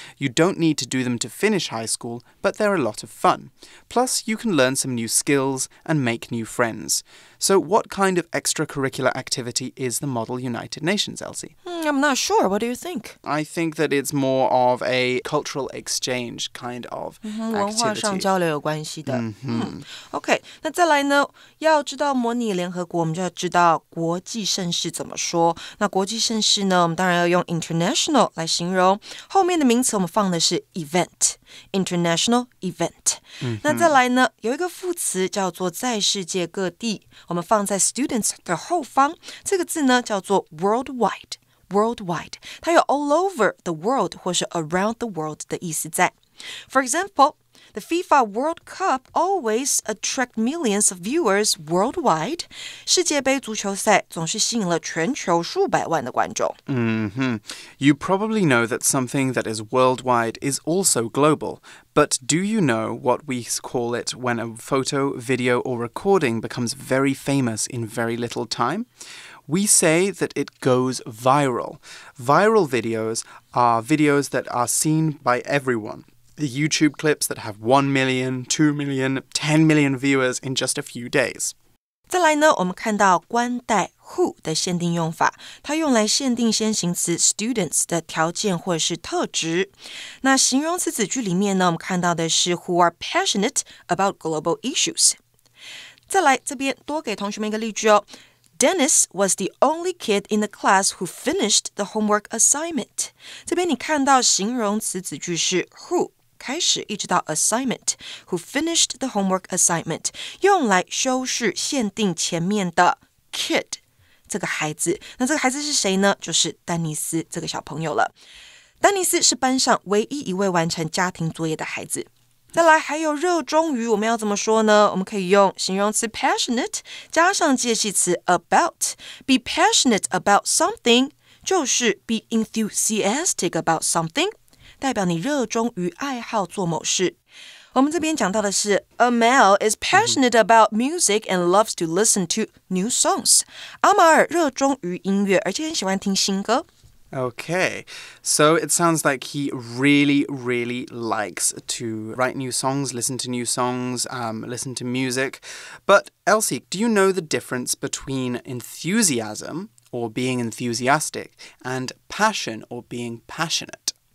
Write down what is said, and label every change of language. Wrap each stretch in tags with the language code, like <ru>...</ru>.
<en>You don't need to do them to finish high school, but they're a lot of fun. Plus, you can learn some new skills and make new friends. So what kind of extracurricular activity is the Model United Nations, Elsie? I'm not sure. What do you think? I think that it's more of a cultural exchange kind of activity.</en> <zh>文化上交流有关系的。 Okay, 那再来呢，要知道模拟联合国，我们就要知道国际盛事怎么说。那国际盛事呢，我们当然要用 international 来形容。后面的名词我们放的是 event, international event. 那再来呢，有一个副词叫做在世界各地。我们放在 students 的后方，这个字呢叫做 worldwide, worldwide, 它有 all over the world 或是 around the world 的意思在。</zh> <en>For example, the FIFA World Cup always attract millions of viewers worldwide.</en> <zh>世界杯足球赛总是吸引了全球数百万的观众。</zh> <en>You probably know that something that is worldwide is also global. But do you know what we call it when a photo, video, or recording becomes very famous in very little time? We say that it goes viral. Viral videos are videos that are seen by everyone. The YouTube clips that have 1 million, 2 million, 10 million viewers in just a few days.</en> <zh>再来呢，我们看到冠带 who 的限定用法，它用来限定先行词 students 的条件或者是特质。那形容词子句里面呢，我们看到的是 who are passionate about global issues。再来这边多给同学们一个例句哦。</zh> <en>Dennis was the only kid in the class who finished the homework assignment.</en> <zh>这边你看到形容词子句是 who 开始一直到 assignment, who finished the homework assignment, 用来修饰限定前面的 kid, 这个孩子。那这个孩子是谁呢？就是丹尼斯这个小朋友了。丹尼斯是班上唯一一位完成家庭作业的孩子。再来还有热衷于，我们要怎么说呢？我们可以用形容词 passionate 加上介系词 about， be passionate about something 就是 be enthusiastic about something，代表你热衷于爱好做某事。我们这边讲到的是</zh> <en>A male is passionate about music and loves to listen to new songs。</en> <zh>阿马尔热衷于音乐，而且很喜欢听新歌。</zh> <en>Okay, so it sounds like he really, really likes to write new songs, listen to new songs, listen to music. But Elsie, do you know the difference between enthusiasm, or being enthusiastic, and passion, or being passionate?</en>